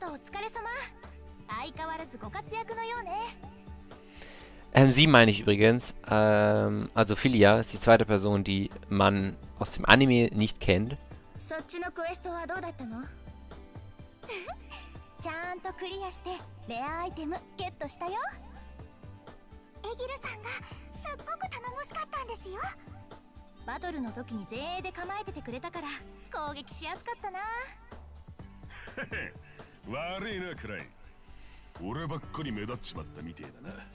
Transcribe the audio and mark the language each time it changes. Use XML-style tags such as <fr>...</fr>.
<ja>エギルたちの方が早かったみたいだな。いや、俺たちもさっき戻ってきたばかりだ。それで町の存在新エリアの初クエストは楽しめたんだよ。ああ、かなり面白かったよ。時が違うクエストだったぜ。あ、キリト、帰ってきてたんだ。クエストお疲れ様。相変わらずご活躍のようね。</ja> <de>Sie meine ich übrigens, also Philia ist die zweite Person, die man aus dem Anime nicht kennt。</de> <ja>そっちのクエストはどうだったの？ちゃんとクリアしてレアアイテム、ゲットしたよ。エギルさんがすっごく頼もしかったんですよ。バトルの時に前衛で構えててくれたから、攻撃しやすかったな。悪いな、クライ。俺ばっかり目立っちまったみてえだな。</ja>